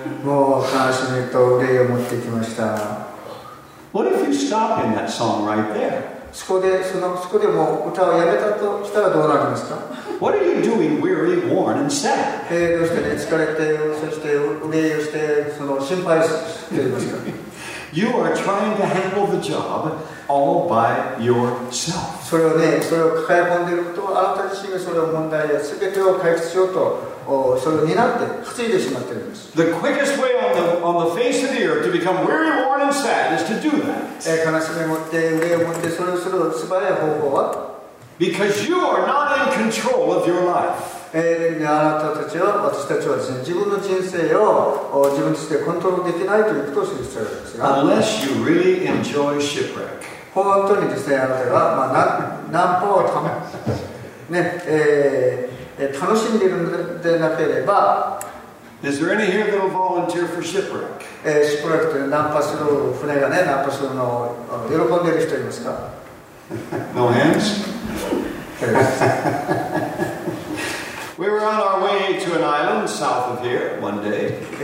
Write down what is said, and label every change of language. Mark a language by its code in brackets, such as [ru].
[ja] もう悲しみと憂いを持ってきました。 [en] What if you stop in that song right there? [ja] そこでもう歌をやめたとしたらどうなりますか? [en] What are you doing weary, worn and sad? [ja] どうしてね、疲れて、そして憂いをして、その心配していますか? [en] You are trying to handle the job all by yourself. [ja] それをね、それを抱え込んでいると、あなた自身がその問題や全てを解決しようと、それを担って、担いでしまっているんです。 [en] The quickest way on the face of the earth to become weary, worn, and sad is to do that. [ja] 悲しみを持って、憂いを持って、それをする素晴らしい方法は? [en] Because you are not in control of your life. [ja] あなたたちは私たちはですね、自分の人生を自分としてコントロールできないということを知る必要があるんですが。 [en] Unless you really enjoy shipwreck. [ja] 本当にですね、あなたが、まあ、難破をため、ね楽しんでいるのでなければ。 [en] Is there any here that will volunteer for shipwreck? [ja] Shipwreck って難破する船がね、難破するのを喜んでいる人いますか [en] No hands? We were on our way to an island south of here one day.